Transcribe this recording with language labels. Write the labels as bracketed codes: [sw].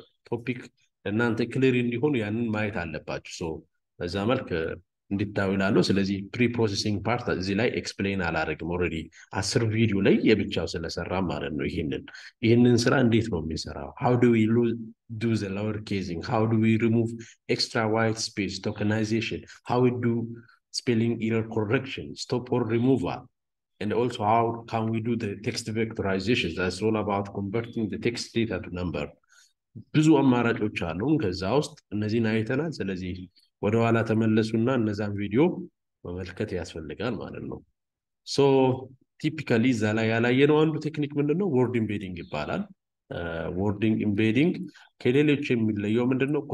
[am] ቶፒክ እናንተ ክሊር እንዲሆን ያንን ማየት አለባችሁ። ሶ በዛ መልክ እንድታዩላለሁ። ስለዚህ ፕሪ ፕሮሰሲንግ ፓርት እዚህ ላይ ኤክስፕሌን አላደርግም። ኦልሬዲ 10 ቪዲዮ ላይ የብቻው ስለሰራ ማለት ነው። ይህንን ስራ እንዴት ነው የሚሰራው? [en] ሃው ዱ ዊ ዱ ዘ ሎወር ኬዚንግ? ሃው ዱ ዊ ሪሙቭ ኤክስትራ ዋይት ስፔስ ቶከናይዜሽን? ሃው ዊ ዱ ስፔሊንግ ኢረር ኮሬክሽን ስቶፕ ኦር ሪሙቫል? And also, how can we do the text vectorization? That's all about converting the text data to number. [am] ብዙ አማራጮች አሉ። ከዛ ውስጥ እነዚህን አይተናል። ስለዚህ ወደ ኋላ ተመለሱና እነዛን ቪዲዮ መመልከት ያስፈልጋል ማለት ነው። ሶ ቲፒካሊ እዛ ላይ ያላየነው አንዱ ቴክኒክ ምንድን ነው? ወርድ ኢምቤዲንግ ይባላል። ወርድ ኢምቤዲንግ ከሌሎች የሚለየው ምንድን ነው?